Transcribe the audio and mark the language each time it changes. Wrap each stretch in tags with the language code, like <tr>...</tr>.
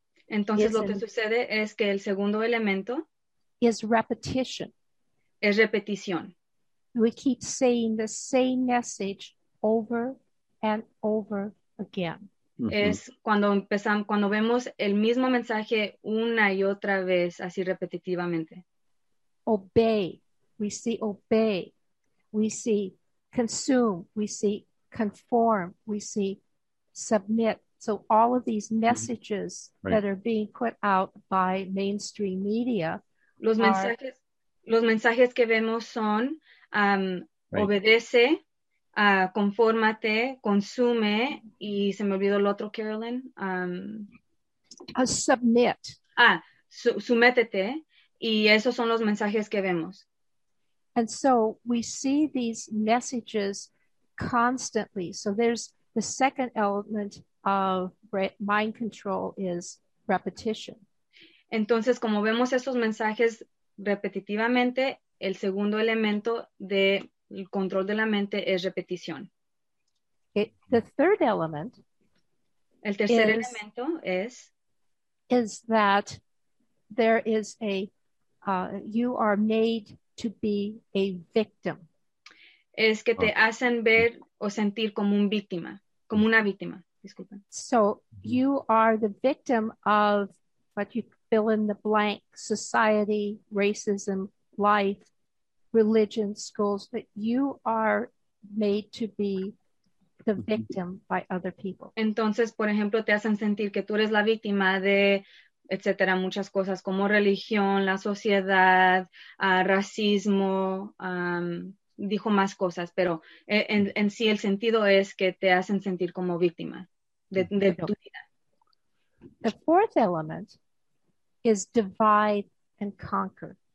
<es>entonces lo que sucede es que el segundo elemento</es> <en>is repetition.</en> <es>Es repetición.</es> <en>We keep saying the same message over and over again.</en> <es>Es cuando empezamos, cuando vemos el mismo mensaje una y otra vez, así repetitivamente.</es> <en>Obey. We see obey. We see consume. We see conform. We see submit. So all of these messages that are being put out by mainstream media.</en> <es>Los mensajes que vemos son obedece, confórmate, consume, y se me olvidó el otro, Carolyn.</es> <en>Submit.</en> <es>Sumétete, y esos son los mensajes que vemos.</es> <en>And so we see these messages constantly. So there's the second element of mind control is repetition.</en> <es>Entonces, como vemos esos mensajes repetitivamente, el segundo elemento del control de la mente es repetición.</es> <en>The third element.</en> <es>El tercer elemento es.</es> <en>Is that there is a, you are made to be a victim.</en> <es>Es que te hacen ver o sentir como un víctima, como una víctima, disculpa.</es> <en>So you are the victim of what you fill in the blank, society, racism, life, religion, schools, but you are made to be the victim by other people.</en> <es>Entonces, por ejemplo, te hacen sentir que tú eres la víctima de, etcétera, muchas cosas como religión, la sociedad, racismo, dijo más cosas, pero en sí el sentido es que te hacen sentir como víctima de tu vida.</es> <en>The fourth element is divide and conquer.</en>